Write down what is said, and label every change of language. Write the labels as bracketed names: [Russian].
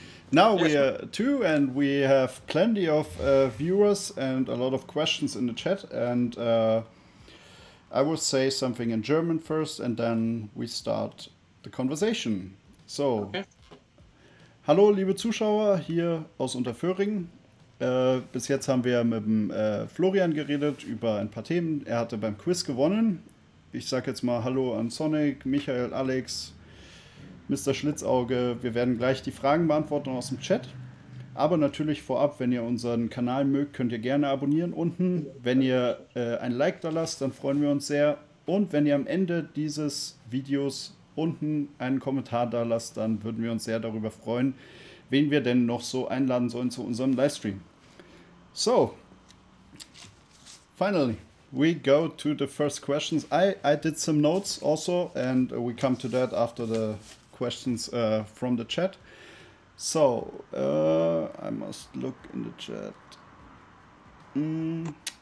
[English] Now we are two, and we have plenty of viewers and a lot of questions in the chat. And I will say something in German first, and then we start the conversation. So, okay. [German] Hallo, liebe Zuschauer hier aus Unterföhring. Bis jetzt haben wir mit dem Florian geredet über ein paar Themen. Er hatte beim Quiz gewonnen. Ich sage jetzt mal Hallo an Sonic, Michael, Alex, Mr. Schlitzauge, wir werden gleich die Fragen beantworten aus dem Chat. Aber natürlich vorab, wenn ihr unseren Kanal mögt, könnt ihr gerne abonnieren unten. Wenn ihr ein Like da lasst, dann freuen wir uns sehr. Und wenn ihr am Ende dieses Videos unten einen Kommentar da lasst, dann würden wir uns sehr darüber freuen, wen wir denn noch so einladen sollen zu unserem Livestream. [English] So, finally, we go to the first questions. I did some notes also, and we come to that after the questions from the chat. So I must look in the chat. Mr.